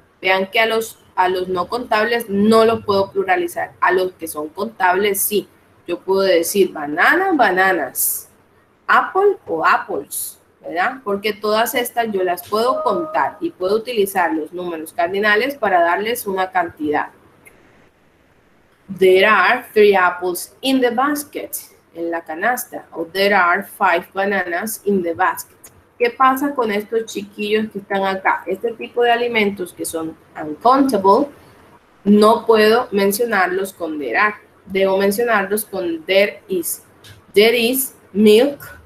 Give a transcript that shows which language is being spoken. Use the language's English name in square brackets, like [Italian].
[Spanish] Vean que a los no contables no los puedo pluralizar, a los que son contables sí, yo puedo decir banana, bananas, apple o apples, ¿verdad? Porque todas estas yo las puedo contar y puedo utilizar los números cardinales para darles una cantidad. [English] There are 3 apples in the basket, [Spanish] en la canasta, o [English] there are 5 bananas in the basket. [Spanish] ¿Qué pasa con estos chiquillos que están acá? Este tipo de alimentos que son uncountable, no puedo mencionarlos con there are. Debo mencionarlos con [English] there is. There is milk.